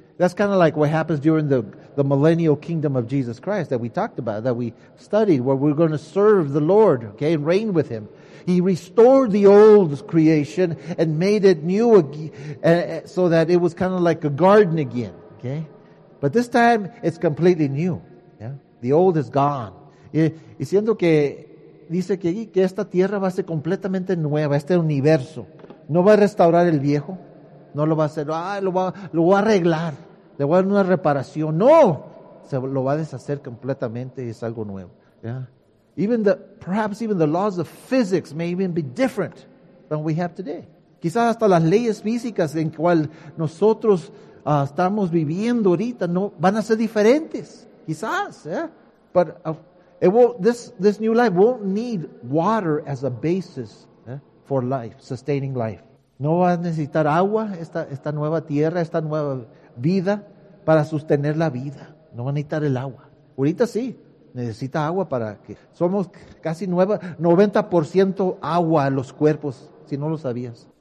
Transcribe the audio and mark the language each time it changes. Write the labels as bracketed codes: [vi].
[en] That's kind of like what happens during the millennial kingdom of Jesus Christ that we talked about, that we studied, where we're going to serve the Lord, okay, and reign with Him. He restored the old creation and made it new again, so that it was kind of like a garden again. Okay, but this time it's completely new. The old is gone. [es] Y siendo que dice que esta tierra va a ser completamente nueva, este universo. No va a restaurar el viejo. No lo va a hacer. Lo va a arreglar. Le va a dar una reparación. No. Se lo va a deshacer completamente. Es algo nuevo. Yeah. [en] Perhaps even the laws of physics may even be different than we have today. [es] Quizás hasta las leyes físicas en cual nosotros estamos viviendo ahorita no van a ser diferentes. Quizás, yeah. [en] But this new life won't need water as a basis, yeah, for life, sustaining life. [es] No va a necesitar agua esta nueva tierra, esta nueva vida para sostener la vida. No va a necesitar el agua. Ahorita sí, necesita agua para que somos casi nueva, 90% agua a los cuerpos, si no lo sabías.